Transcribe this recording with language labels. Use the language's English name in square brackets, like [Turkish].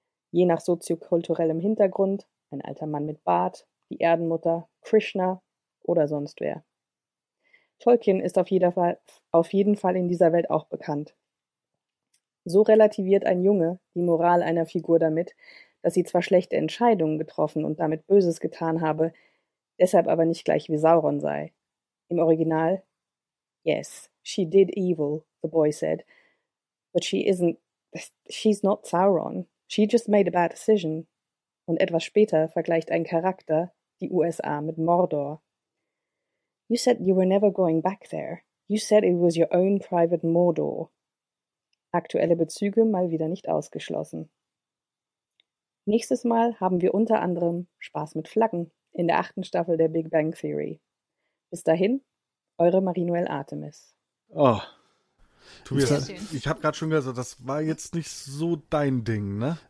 [German] Je nach soziokulturellem Hintergrund, ein alter Mann mit Bart, die Erdenmutter, Krishna oder sonst wer. Tolkien ist auf jeden Fall in dieser Welt auch bekannt. So relativiert ein Junge die Moral einer Figur damit, dass sie zwar schlechte Entscheidungen getroffen und damit Böses getan habe, deshalb aber nicht gleich wie Sauron sei. Im Original: [English] Yes, she did evil, the boy said. But she's not Sauron. She just made a bad decision. [German] Und etwas später vergleicht ein Charakter die USA mit Mordor. [English] You said you were never going back there. You said it was your own private Mordor. [German] Aktuelle Bezüge mal wieder nicht ausgeschlossen. Nächstes Mal haben wir unter anderem Spaß mit Flaggen in der 8. Staffel der Big Bang Theory. Bis dahin, eure Marie-Noëlle Artemis. Oh. Tobias, ich habe gerade schon gesagt, das war jetzt nicht so dein Ding, ne?